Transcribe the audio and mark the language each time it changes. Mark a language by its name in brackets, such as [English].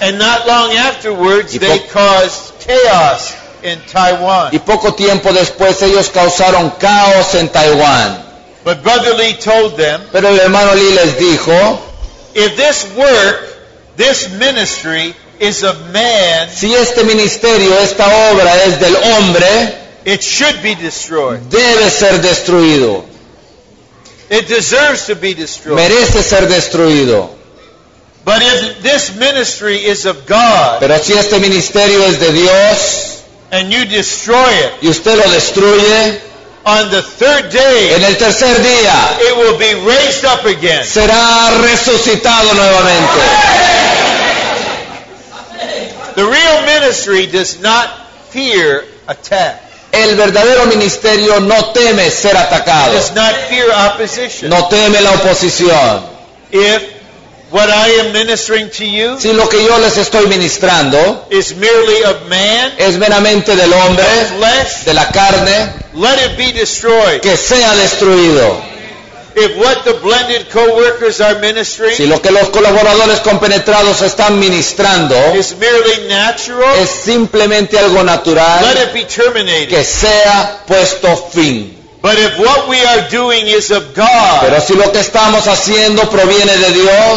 [English] And not long afterwards, they caused chaos in Taiwan. [Spanish] Y poco tiempo después, ellos causaron caos en Taiwán. [English] But Brother Lee told them, [Spanish] pero el hermano Lee les dijo, [English] if this work, this ministry, is of man, [Spanish] si este ministerio, esta obra es del hombre, [English] it should be destroyed. [Spanish] Debe ser destruido. [English] It deserves to be destroyed. [Spanish] Merece ser destruido. [English] But if this ministry is of God, [Spanish] pero si este ministerio es de Dios, [English] and you destroy it, [Spanish] y usted lo destruye, [English] on the third day, [Spanish] en el tercer día, [English] it will be raised up again. [Spanish] Será resucitado nuevamente. [English] The real ministry does not fear attack. [Spanish] El verdadero ministerio no teme ser atacado. [English] It does not fear opposition. [Spanish] No teme la oposición. [English] If what I am ministering to you, [Spanish] si lo que yo les estoy ministrando, [English] is merely of man, [Spanish] es meramente del hombre, [English] of flesh, [Spanish] de la carne, [English] let it be destroyed. [Spanish] Que sea destruido. [English] If what the blended co-workers are ministering, [Spanish] si lo que los colaboradores compenetrados están ministrando, [English] is merely natural, [Spanish] es simplemente algo natural, [English] let it be terminated. [Spanish] Que sea puesto fin. [English] But if what we are doing is of God, [Spanish] pero si lo que estamos haciendo proviene de Dios,